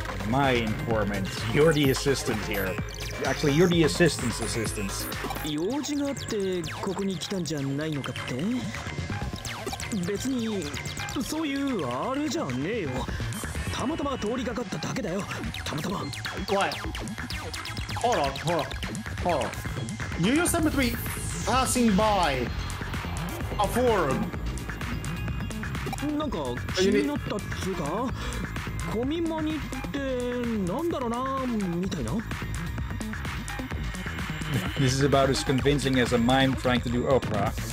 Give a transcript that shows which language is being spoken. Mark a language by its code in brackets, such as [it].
[en] My informant. You're the assistant here. Actually, you're the assistant's assistant. [ja] 用事があってここに来たんじゃないのかって？別に、そういうあれじゃねえよ。たまたま通りかかっただけだよ。たまたま。 [en] Wait. Hold on. Hold on. Hold on. You just happen to be passing by a forum. [ja] なんか気になったっつうか、コミマニってなんだろうなみたいな。 [en] This is about as convincing as a mime trying to do opera.